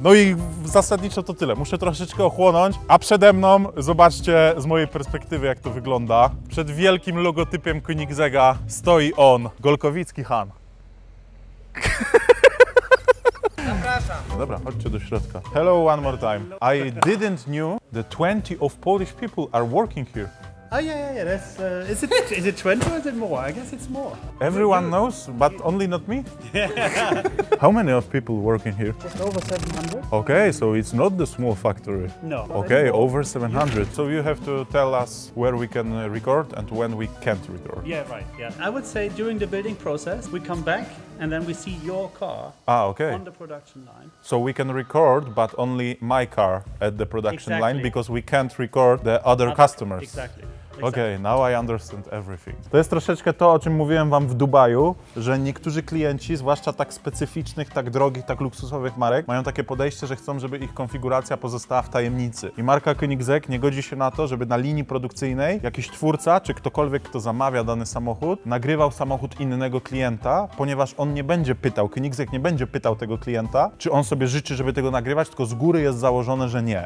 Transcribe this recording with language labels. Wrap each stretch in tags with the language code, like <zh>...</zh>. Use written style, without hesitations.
<pl>No i zasadniczo to tyle. Muszę troszeczkę ochłonąć. A przede mną zobaczcie z mojej perspektywy, jak to wygląda. Przed wielkim logotypem Kiegzega stoi on. Golkowicki Han. Zapraszam. Dobra, chodźcie do środka.</pl> <en>Hello one more time. I didn't knew the 20 of Polish people are working here. Oh yeah, that's... Is it 20 or is it more? I guess it's more. Everyone knows, but only not me? Yeah. How many of people work in here? Just over 700. Okay, so it's not the small factory. No. Okay, over 700. Yeah. So you have to tell us where we can record and when we can't record. Yeah, right, yeah. I would say during the building process, we come back and then we see your car on the production line. So we can record, but only my car at the production line because we can't record the other customers. Exactly. Okay, now I understand everything.</en> <pl>To jest troszeczkę to, o czym mówiłem wam w Dubaju, że niektórzy klienci, zwłaszcza tak specyficznych, tak drogich, tak luksusowych marek, mają takie podejście, że chcą, żeby ich konfiguracja pozostała w tajemnicy. I marka Koenigsegg nie godzi się na to, żeby na linii produkcyjnej jakiś twórca, czy ktokolwiek, kto zamawia dany samochód, nagrywał samochód innego klienta, ponieważ on nie będzie pytał, Koenigsegg nie będzie pytał tego klienta, czy on sobie życzy, żeby tego nagrywać, tylko z góry jest założone, że nie.</pl>